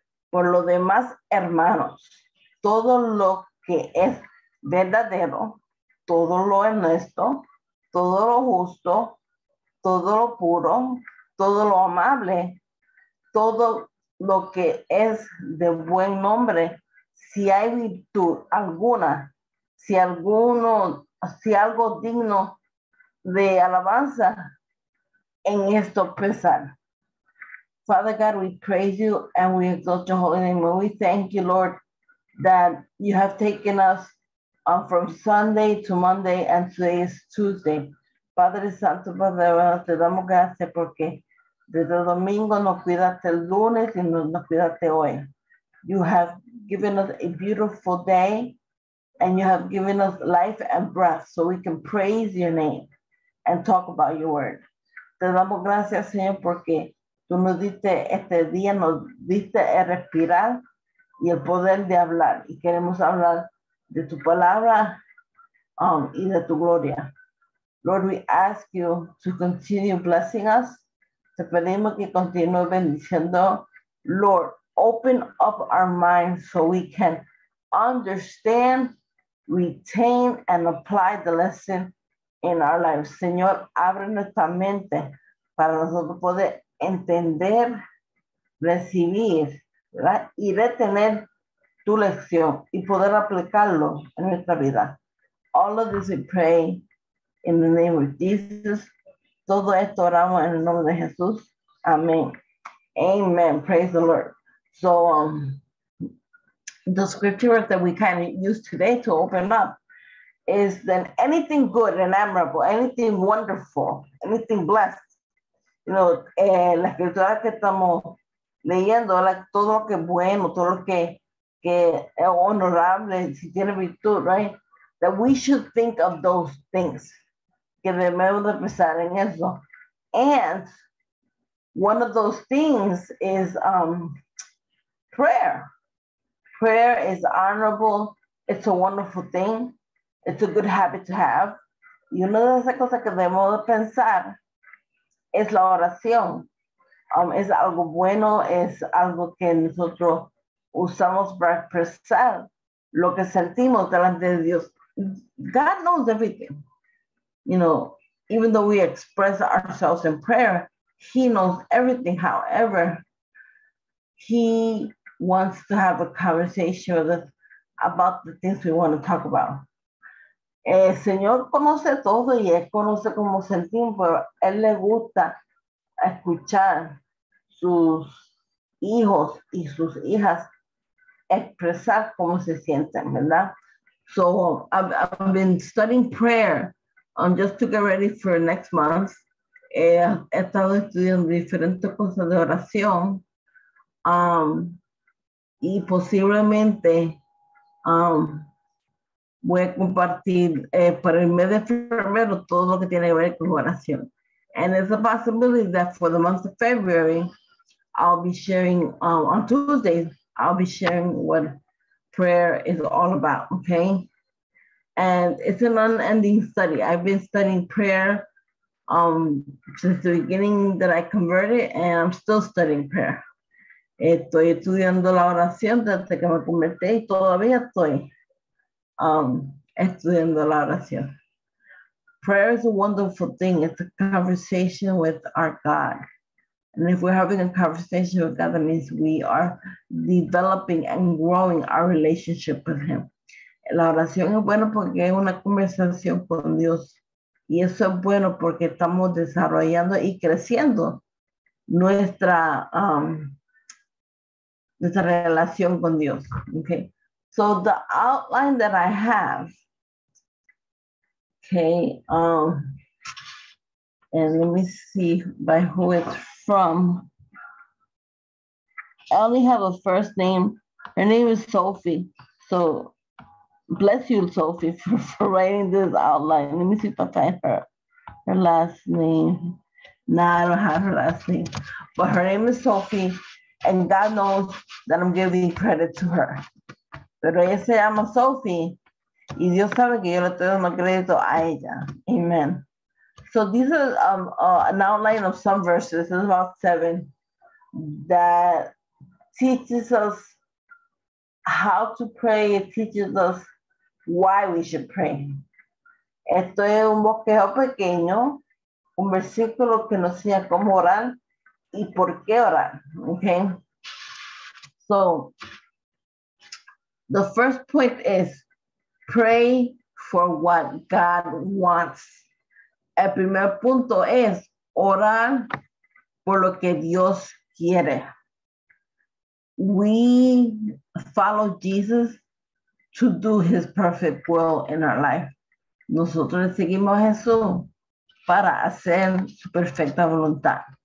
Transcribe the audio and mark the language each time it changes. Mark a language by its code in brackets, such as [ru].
[es] Por lo demás, hermanos, todo lo que es verdadero, todo lo honesto, todo lo justo, todo lo puro, todo lo amable, todo lo que es de buen nombre, si hay virtud alguna, si algo digno de alabanza, en esto pensar. [en] Father God, we praise you and we exalt your holy name. We thank you, Lord, that you have taken us from Sunday to Monday, and today is Tuesday. [es] Padre Santo, Padre Bueno, te damos gracias porque desde domingo nos cuidaste el lunes y nos cuidaste hoy. [en] You have given us a beautiful day, and you have given us life and breath so we can praise your name and talk about your word. [es] Te damos gracias, Señor, porque tú nos diste este día, nos diste el respirar y el poder de hablar, y queremos hablar de tu palabra y de tu gloria. [en] Lord, we ask you to continue blessing us. [es] Te pedimos que continúes bendiciendo. [en] Lord, open up our minds so we can understand, retain, and apply the lesson in our lives. [es] Señor, abre nuestra mente para nosotros poder entender, recibir, ¿verdad? Y retener tu lección y poder aplicarlo en nuestra vida. [en] All of this we pray in the name of Jesus. [es] Todo esto oramos en el nombre de Jesús. [en] Amén. Amen. Praise the Lord. So the scripture that we kind of use today to open up is that anything good and admirable, anything wonderful, anything blessed. You know, [es] la escritura que estamos leyendo, like, todo lo que bueno, todo lo que es honorable, si tiene virtud, right? [en] That we should think of those things. [es] Que debemos de pensar en eso. [en] And one of those things is prayer. Prayer is honorable. It's a wonderful thing. It's a good habit to have. [es] Y una de las cosas que debemos de pensar es la oración. Es algo bueno, es algo que nosotros usamos para expresar lo que sentimos delante de Dios. [en] God knows everything. You know, even though we express ourselves in prayer, he knows everything. However, he wants to have a conversation with us about the things we want to talk about. [es] El Señor conoce todo y él conoce cómo sentimos, pero él le gusta escuchar sus hijos y sus hijas expresar cómo se sienten, ¿verdad? [en] So I've been studying prayer just to get ready for next month. [es] He estado estudiando diferentes cosas de oración y posiblemente voy a compartir para el mes de febrero todo lo que tiene que ver con oración. [en] And it's a possibility that for the month of February, I'll be sharing on Tuesday, I'll be sharing what prayer is all about, okay? And it's an unending study. I've been studying prayer since the beginning that I converted, and I'm still studying prayer. [es] Estoy estudiando la oración desde que me convertí y todavía estoy estudiando la oración. [en] Prayer is a wonderful thing. It's a conversation with our God. And if we're having a conversation with God, that means we are developing and growing our relationship with him. [es] La oración es buena porque es una conversación con Dios. Y eso es bueno porque estamos desarrollando y creciendo nuestra relación con Dios. [en] Okay. So the outline that I have. Okay. And let me see by who it's from. I only have a first name. Her name is Sophie. So bless you, Sophie, for writing this outline. Let me see if I find her last name. Nah, I don't have her last name. But her name is Sophie, and God knows that I'm giving credit to her. [es] Pero ella se llama Sophie, y Dios sabe que yo le estoy dando crédito a ella. [en] Amen. So these are an outline of some verses, this is about 7, that teaches us how to pray. It teaches us why we should pray. [es] Esto es un bosquejo pequeño, un versículo que nos enseña cómo orar y por qué orar. [en] Okay. So the first point is pray for what God wants. [es] El primer punto es orar por lo que Dios quiere. [en] We follow Jesus to do his perfect will in our life. [es] Nosotros seguimos a Jesús para hacer su perfecta voluntad.